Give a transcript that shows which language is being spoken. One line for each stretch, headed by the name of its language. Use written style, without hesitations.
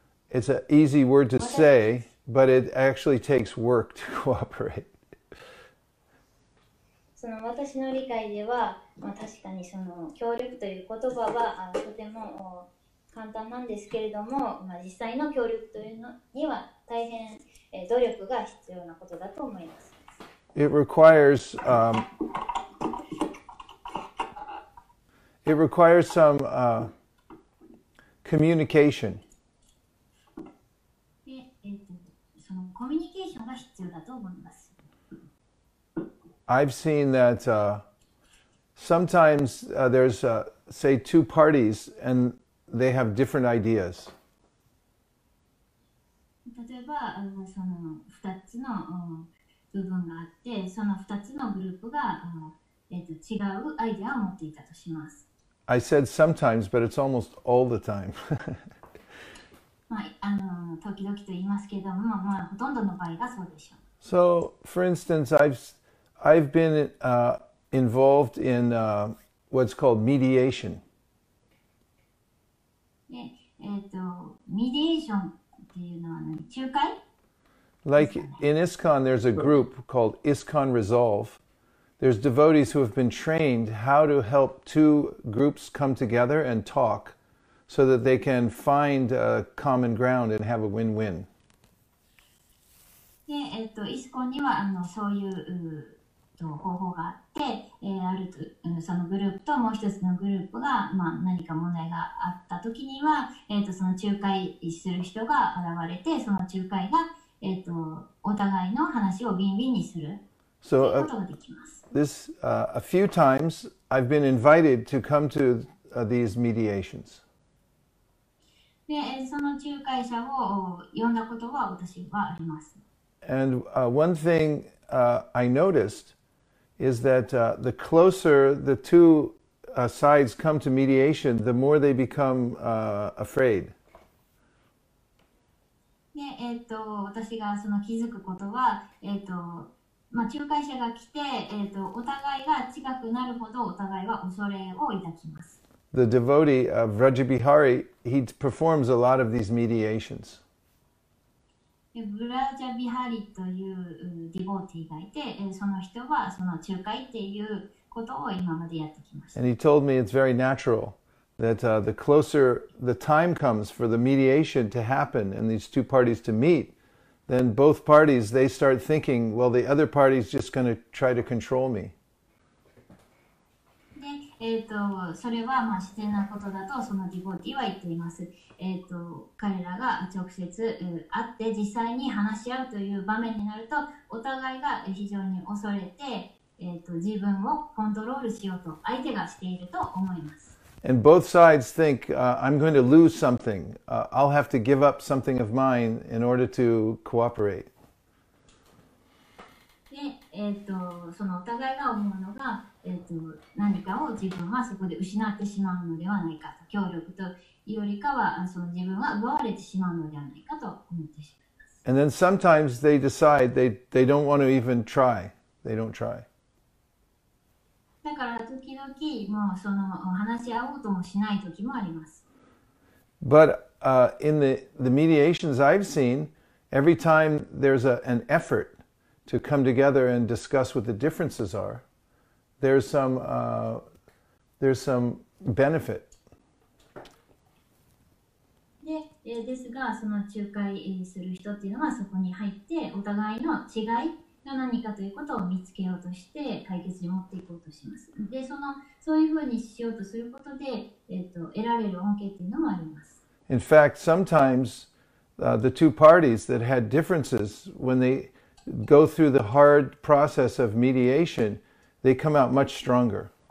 English: It's an easy word to say, but it actually takes work to cooperate.
Japanese: その私の理解では、まあ、確かにその協力という言葉はとても簡単なんですけれども、まあ、実際の協力というのには大変努力が必要なことだと思います。
English: It requires, some, communication.
Japanese: そのコミュニケーションが必要だと思います。
English: I've seen that, sometimes, there's, say, two parties and they have different ideas.
Japanese: 例えばその2つの部分があって、その2つのグループが違うアイデアを持っていたとします。
English: I said sometimes, but it's almost all the time.
Japanese: まあ、時々と言いますけども、まあ、ほとんどの場合がそうでしょう。
English: So, for instance, I've been involved in what's called mediation.
Japanese: Mediation っていうのは仲介?
English: Like in ISKCON, there's a group called ISKCON Resolve. There's devotees who have been trained how to help two groups come together and talk so that they can find a common ground and have a win-win.
Japanese: で、イスコンにはそういう方法があって、あるとそのグループともう一つのグループが、まあ、何か問題があった時には、その仲介する人が現れて、その仲介が、お互いの話をビンビンにするということができます。
English: So, this, a few times I've been invited to come to these mediations.
Japanese: で、その仲介者を呼んだことは私はあります。
English: And one thing I noticed is that the closer the two sides come to mediation, the more they become afraid.
Japanese: で、私がその気づくことは、まあ、仲介者が来て、お互いが近くなるほどお互いは恐れを抱きます。
English: The devotee of Vrajabihari, he performs a lot of these mediations.
Japanese: ブラジャビハリというディボーティーがいて、その人はその仲介っていうことを今までやってきました。
English: And he told me it's very natural that the closer the time comes for the mediation to happen and these two parties to meet, then both parties, they start thinking, well, the other party is just going to try to control me.
Japanese: で、それはまあ自然なことだとそのディボーティーは言っています。彼らが直接会って実際に話し合うという場面になると、お互いが非常に恐れて、自分をコントロールしようと相手がしていると思います。
English: And both sides think, I'm going to lose something. I'll have to give up something of mine in order to cooperate.
Japanese: で、そのお互いが思うのが、何かを自分はそこで失ってしまうのではないかと、協力というよりかはその自分は奪われてしまうのではないかと思ってしまいます。
English: And then sometimes they decide they don't want to even try. They don't try.
Japanese: だから時々もうその話し合おうともしない時もあります。
English: But in the mediations I've seen, every time there's an effort. To come together and discuss what the differences are, there's some benefit.
Japanese: ですが、その仲介する人っていうのはそこに入って、お互いの違いが何かということを見つけようとして、解決に持っていこうとします。で、そういうふうにしようとすることで、得られる恩恵っていうのもあります。
English: In fact, sometimes the two parties that had differences when theygo through the hard process of mediation, they come out much stronger.